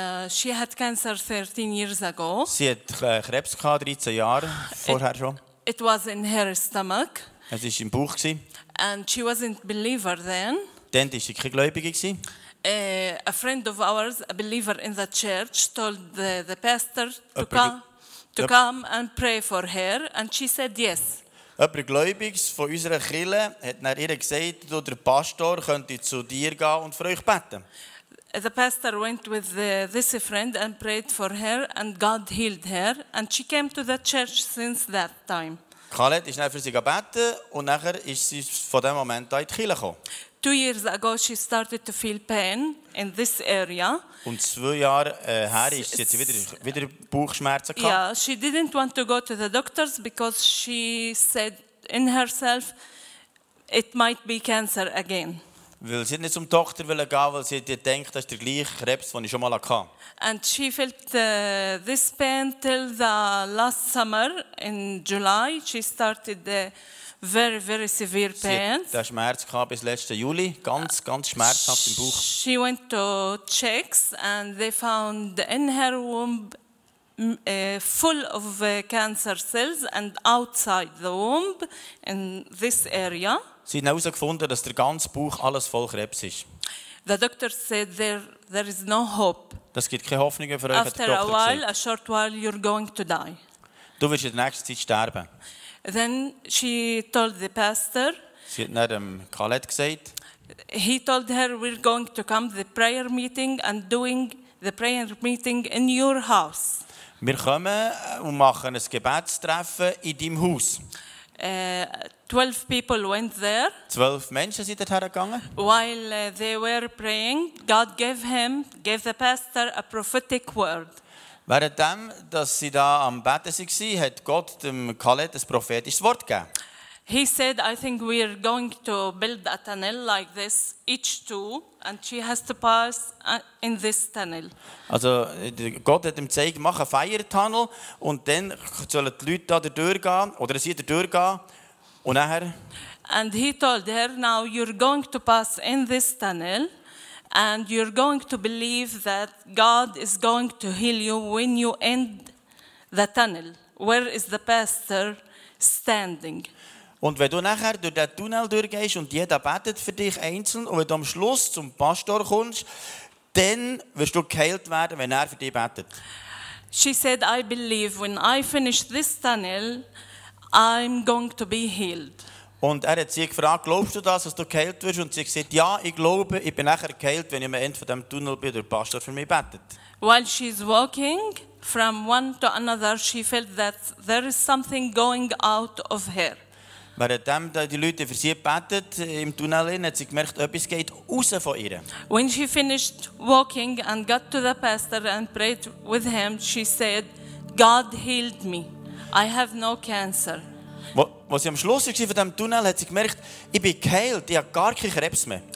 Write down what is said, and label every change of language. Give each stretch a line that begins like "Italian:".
English: She had cancer 13 years ago.
German: Sie hat Krebs gehabt, 13 Jahre vorher schon.
English: It was in her stomach.
German: Es ist im Bauch gewesen.
English: And she wasn't a believer then.
German: Dann war sie keine Gläubige gewesen.
English: A friend of ours, a believer in the church, told the pastor to come and pray for her, and she said yes.
German: Jemand Gläubiges von unserer Kirche hat nach ihr gesagt, du, der Pastor könnte zu dir gehen und für euch beten.
English: The pastor went with this friend and prayed for her, and God healed her, and she came to the church since that time.
German: Khaled ist dann für sie gebeten und nachher ist sie von dem Moment an in die Kirche gekommen.
English: 2 years ago she started to feel pain in this area.
German: Und 2 Jahre her ist sie jetzt wieder Bauchschmerzen gehabt.
English: Yeah, she didn't want to go to the doctors because she said in herself it might be cancer again.
German: Weil sie nicht zum Doktor wollte gehen, weil sie denkt, das ist der gleiche Krebs, den ich schon mal hatte.
English: And she felt this pain till the last summer in July. She started the very, very severe pain.
German: Sie hat Schmerz gehabt bis letzten Juli, ganz, ganz schmerzhaft im Bauch.
English: She went to checks and they found in her womb full of cancer cells and outside the womb in this area.
German: Sie haben herausgefunden, dass der ganze Bauch alles voll Krebs ist.
English: The doctor said there is no hope.
German: Das gibt keine Hoffnung für euch.
English: After a while, a short while, you're going to die.
German: Du wirst in der nächsten Zeit sterben.
English: Then she told the pastor.
German: Sie hat nach dem Khaled gesagt.
English: He told her we're going to come to the prayer meeting and doing the prayer meeting in your house.
German: Wir kommen und machen ein Gebetstreffen in deinem Haus.
English: 12 people went there.
German: 12 Menschen sind dorthin gegangen.
English: While they were praying, God gave the pastor a prophetic word.
German: Währenddem, dass sie da am Beten waren, hat Gott dem Khaled ein prophetisches Wort gegeben.
English: He said, I think we are going to build a tunnel like this, each two, and she has to pass in this tunnel.
German: Also, Gott hat ihm gezeigt, mach einen Feiertunnel und dann sollen die Leute da durchgehen, oder sie da durchgehen, und nachher...
English: And he told her, now you're going to pass in this tunnel, and you're going to believe that God is going to heal you when you end the tunnel. Where is the pastor standing?
German: Und wenn du nachher durch den Tunnel durchgehst und jeder betet für dich einzeln und wenn du am Schluss zum Pastor kommst, dann wirst du geheilt werden, wenn er für dich betet.
English: She said, I believe when I finish this tunnel, I'm going to be healed.
German: Und er hat sie gefragt, glaubst du das, dass du geheilt wirst? Und sie hat gesagt, ja, ich glaube, ich bin nachher geheilt, wenn ich am Ende des Tunnels bin, der Pastor für mich betet.
English: While she's walking from one to another, she felt that there is something going out of her.
German: Währenddem die Leute für sie beten im Tunnel, hat sie gemerkt, etwas geht raus von ihr.
English: When she finished walking and got to the pastor and prayed with him, she said, God healed me. I have no cancer.
German: Als sie am Schluss von dem Tunnel war, hat sie gemerkt, ich bin geheilt, ich habe gar keinen Krebs mehr.